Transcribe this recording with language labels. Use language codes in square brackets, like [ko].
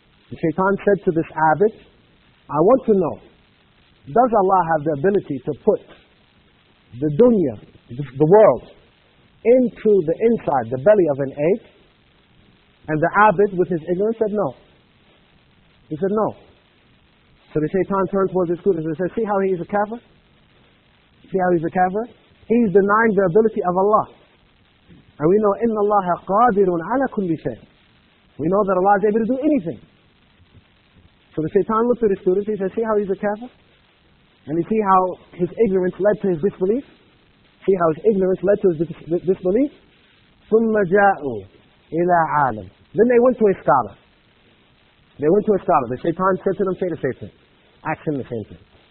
[en] The shaitan said to this abbot, I want to know, does Allah have the ability to put the dunya, the world, into the inside, the belly of an egg? And the abbot, with his ignorance, said no. He said no. So the shaitan turned towards his students and said, see how he is a kafir? See how he's a kafir? He's denying the ability of Allah. And we know, [ar] إِنَّ اللَّهَ قَادِرٌ عَلَى كُلِّ شَيْءٍ. [en] We know that Allah is able to do anything. So the shaitan looked at his students, he said, see how he's a kafir? And you see how his ignorance led to his disbelief? See how his ignorance led to his disbelief? [ar] ثُمَّ جَاءُوا إِلَىٰ عَالَمٍ. [en] Then they went to a scholar. They went to a scholar. The shaitan said to them, say the same thing. Ask him the same thing.